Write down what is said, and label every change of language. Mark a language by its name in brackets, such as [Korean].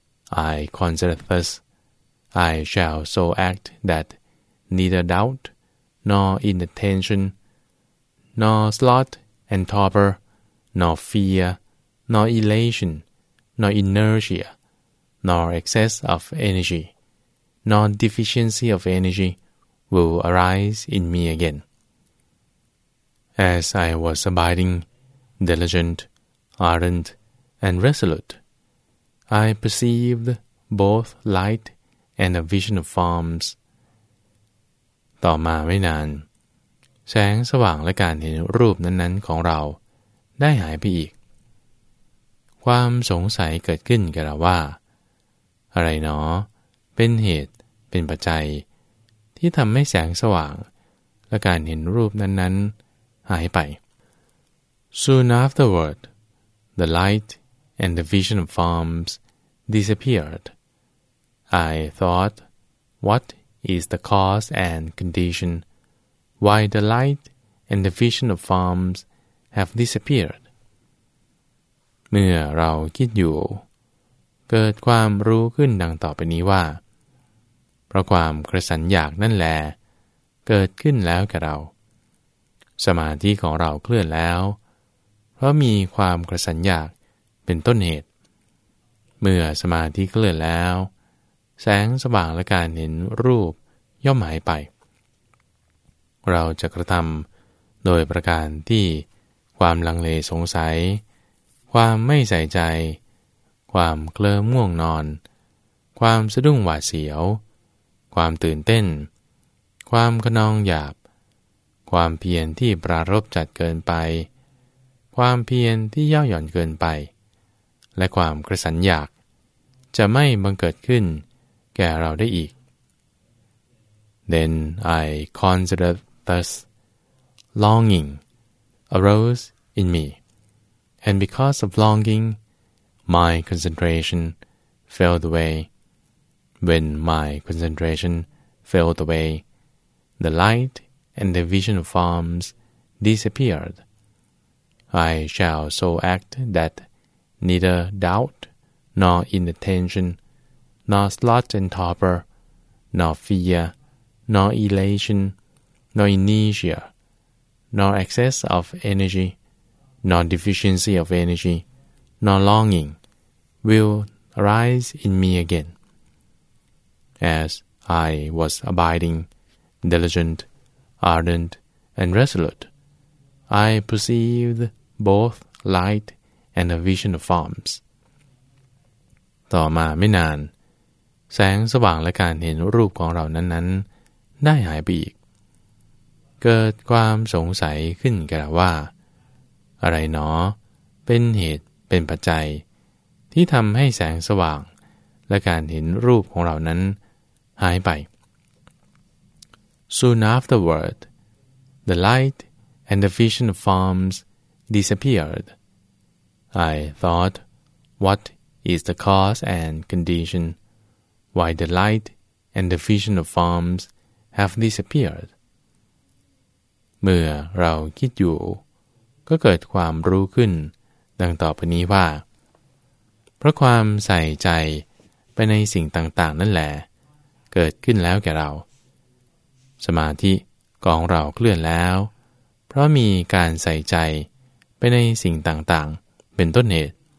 [English] I considered thus, I shall so act that neither doubt, nor inattention, nor sloth and torpor, nor fear, nor elation, nor inertia, nor excess of energy, nor deficiency of energy will arise in me again. As I was abiding, diligent, ardent, and resolute, I perceived both light and a vision of forms. [Thai] ต่อมาไม่นานแสงสว่างและการเห็นรูปนั้นๆของเราได้หายไปอีกความสงสัยเกิดขึ้นแก่เราว่าอะไรหนอเป็นเหตุเป็นปัจจัยที่ทำให้แสงสว่างและการเห็นรูปนั้นๆหายไป [English] Soon afterward, the light and the vision of forms disappeared. I thought, what is the cause and condition why the light and the vision of forms have disappeared? [Thai] เมื่อเราคิดอยู่เกิดความรู้ขึ้นดังต่อไปนี้ว่าเพราะความกระสันอยากนั่นแลเกิดขึ้นแล้วแก่เราสมาธิของเราเคลื่อนแล้วเพราะมีความกระสันอยากเป็นต้นเหตุ เมื่อสมาธิเคลื่อนแล้วแสงสว่างและการเห็นรูปย่อมหายไปเราจะกระทำโดยประการที่ความลังเลสงสัยความไม่ใส่ใจความเคลิ้มง่วงนอนความสะดุ้งหวาดเสียวความตื่นเต้นความคะนองหยาบความเพียรที่ปรารภจัดเกินไป ความเพียรที่ย่อหย่อนเกินไปและความกระสันอยากจะไม่บังเกิดขึ้นแก่เราได้อีก [English] Then I considered thus, longing arose in me, and because of longing, my concentration failed away. When my concentration failed away, the light and the vision of forms disappeared. I shall so act that neither doubt nor inattention nor sloth and torpor, nor fear, nor elation, nor inertia, nor excess of energy, nor deficiency of energy, nor longing, will arise in me again. As I was abiding, diligent, ardent, and resolute, I perceived both light and a vision of forms. [Thai] ต่อมาไม่นานแสงสว่างและการเห็นรูปของเรานั้นๆได้หายไปอีกเกิดความสงสัยขึ้นแก่เราว่าอะไรหนอเป็นเหตุเป็นปัจจัยที่ทำให้แสงสว่างและการเห็นรูปของเรานั้นหายไป [English] Soon afterward, the light and the vision of forms disappeared. I thought, what is the cause and conditionwhy the light and the vision of forms have disappeared. [Thai] เมื่อเราคิดอยู่ก็เกิดความรู้ขึ้นดังต่อไปนี้ว่าเพราะความใส่ใจไปในสิ่งต่างๆนั่นแหละเกิดขึ้นแล้วแก่เราสมาธิของเราเคลื่อนแล้วเพราะมีการใส่ใจไปในสิ่งต่างๆเป็นต้นเหตุ